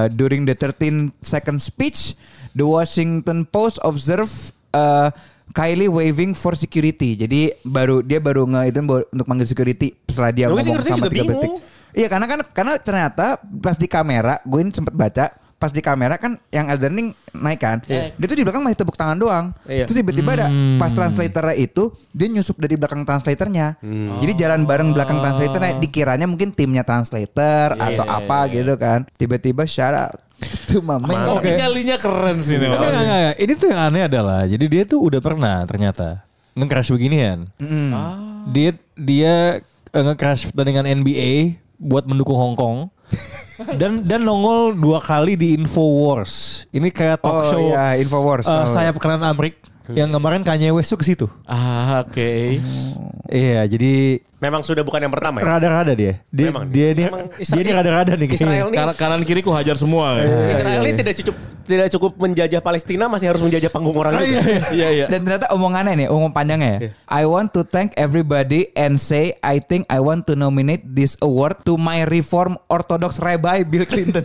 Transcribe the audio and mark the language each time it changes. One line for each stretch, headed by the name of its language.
English: During the 13 second speech, the Washington Post observe Kylie waving for security.
Indonesian: Jadi dia baru nge itu untuk manggil security setelah dia ngomong sama 3 detik. Iya, karena ternyata pas di kamera, gue ini sempat baca, pas di kamera kan yang Elden Ring naik kan, dia tuh di belakang masih tepuk tangan doang. Iya. Terus tiba-tiba ada pas translator itu, dia nyusup dari belakang translatornya. Hmm. Jadi jalan bareng belakang translator, dikiranya mungkin timnya translator atau apa gitu kan. Tiba-tiba
English: shout out to my man.
Indonesian: Oh, nyalinya keren sih. Enggak. Ini tuh yang aneh adalah, jadi dia tuh udah pernah ternyata nge-crash beginian. Mm. Ah. Dia nge-crash pertandingan NBA buat mendukung Hong Kong. Dan nongol dua kali di InfoWars. Ini kayak talk show. Oh iya, InfoWars. Sayap kanan Amrik. Yang kemarin Kanye West ke situ. Ah, oke. Okay. Iya, jadi memang sudah bukan yang pertama ya. Rada-rada dia. Dia ini rada-rada nih. Israel ini kanan kiri ku hajar semua. Israel ini tidak cukup menjajah Palestina, masih harus menjajah panggung orang lain. Iya. Dan ternyata omongannya nih, omong panjangnya ya.
English: Yeah. I want to thank everybody and say I think I want to nominate this award to my reform orthodox rabbi Bill Clinton.